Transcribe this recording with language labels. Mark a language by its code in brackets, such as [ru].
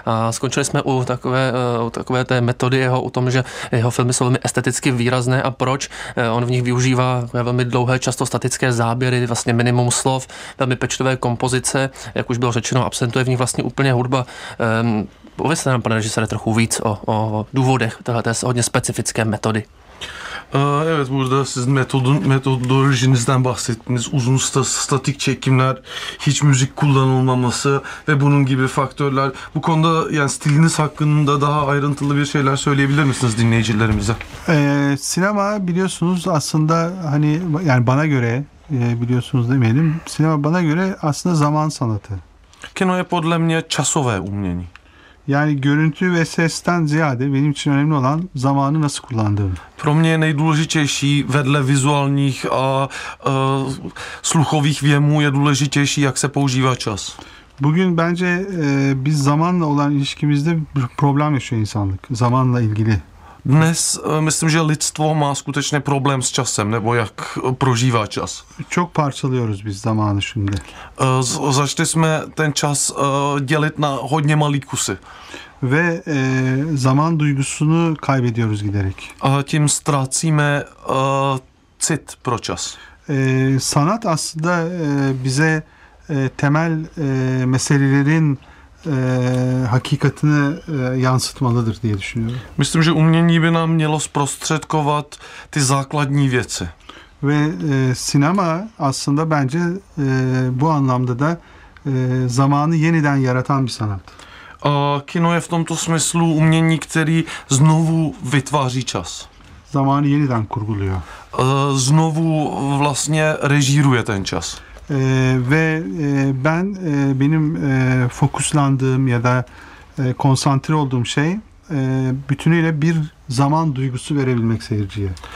[cs] Skončili jsme u takové té metody jeho, u tom, že jeho filmy jsou velmi esteticky výrazné a proč. On v nich využívá velmi dlouhé, často statické záběry, vlastně minimum slov, velmi pečlivé kompozice, jak už bylo řečeno, absentuje v nich vlastně úplně hudba. Povězte nám, pane režisére, trochu víc o důvodech téhleté hodně specifické metody. [tr] Evet, burada siz metodolojinizden bahsettiniz. Uzun statik çekimler, hiç müzik kullanılmaması ve bunun gibi faktörler. Bu konuda yani stiliniz hakkında daha ayrıntılı bir şeyler söyleyebilir misiniz dinleyicilerimize? Sinema biliyorsunuz aslında hani yani bana göre biliyorsunuz demeyelim. Sinema bana göre aslında zaman sanatı. [cs] Kino je podle mě časové umění. [tr] Yani görüntü ve sesten ziyade benim için önemli olan zamanı nasıl kullandığım. [cs] Pro mě je nejdůležitější vedle vizuálních a sluchových věmů je důležitější, jak se používá čas. [tr] Bugün bence biz zamanla olan ilişkimizde problem yaşıyor insanlık. Zamanla ilgili. [cs] Dnes myslím, že lidstvo má skutečně problém s časem, nebo jak prožívá čas. [tr] Çok parçalıyoruz biz zamanı şimdi. [cs] Začali jsme ten čas dělit na hodně malý kusy. [tr] Ve zaman duygusunu kaybediyoruz giderek. [cs] A tím ztrácíme cit pro čas. [tr] Sanat aslında bize temel meselelerin hakikatını yansıtmalıdır diye düşünüyorum. [cs] Myslím, že umění by nám mělo zprostředkovat ty základní věci. [tr] Ve sinema aslında bence bu anlamda da zamanı yeniden yaratan bir sanat. [cs] Kino je v tomto smyslu umění, který znovu vytváří čas. [tr] Zamanı yeniden kurguluyor. [cs] Znovu vlastně režíruje ten čas. [tr] Ve ben benim fokuslandığım ya da konsantre olduğum şey bütünüyle bir zaman duygusu verebilmek seyirciye.